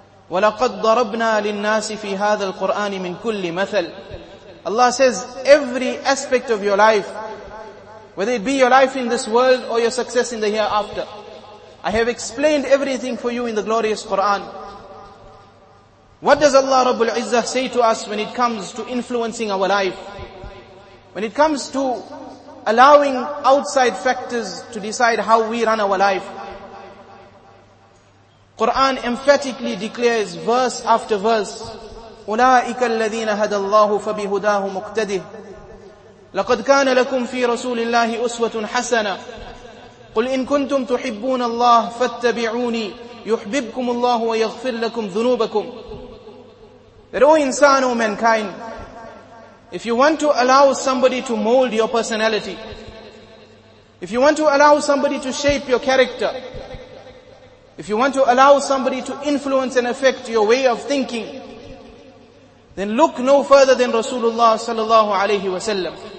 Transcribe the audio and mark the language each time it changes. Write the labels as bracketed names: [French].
[Arabic] وَلَقَدْ ضَرَبْنَا لِلنَّاسِ فِي هَذَا الْقُرْآنِ مِنْ كُلِّ مَثَلٍ [English] Allah says, every aspect of your life, whether it be your life in this world or your success in the hereafter, I have explained everything for you in the glorious Quran. What does Allah Rabbul Izzah say to us when it comes to influencing our life? When it comes to allowing outside factors to decide how we run our life? Quran emphatically declares verse after verse, [Arabic] أولئك الذين هدى الله فبهداه مقتده لقد كان لكم في رسول الله أسوة حسنة قل إن كنتم تحبون الله فاتبعوني يحببكم الله ويغفر لكم ذنوبكم. [English] That O insan, O mankind, if you want to allow somebody to mold your personality, if you want to allow somebody to shape your character, if you want to allow somebody to influence and affect your way of thinking, then look no further than Rasulullah sallallahu alayhi wa sallam.